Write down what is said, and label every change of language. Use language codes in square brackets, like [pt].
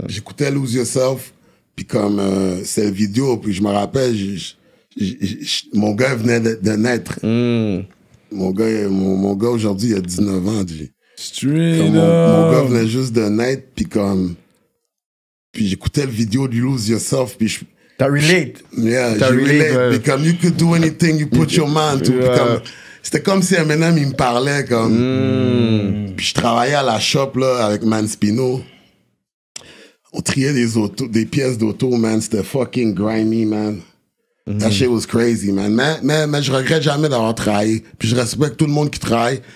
[fr] J'écoutais Lose Yourself, puis comme c'est la vidéo, puis je me rappelle, je mon gars venait de naître. Mon gars aujourd'hui, il a 19 ans. [en] Straight up. [fr] Mon gars venait juste de naître, puis comme... Puis j'écoutais la vidéo du Lose Yourself, puis je... T'as relate. Yeah, j'ai relate. Puis comme, [en] you could do anything, you put your mind to. Yeah. [fr] Comme, c'était comme si Eminem, il me parlait, comme... Puis je travaillais à la shop, là, avec Man Spino. On triait des auto, des pièces d'auto, man. C'était [en] fucking grimy, man. That shit was crazy, man. [fr] Mais je regrette jamais d'avoir travaillé. Puis je respecte tout le monde qui travaille.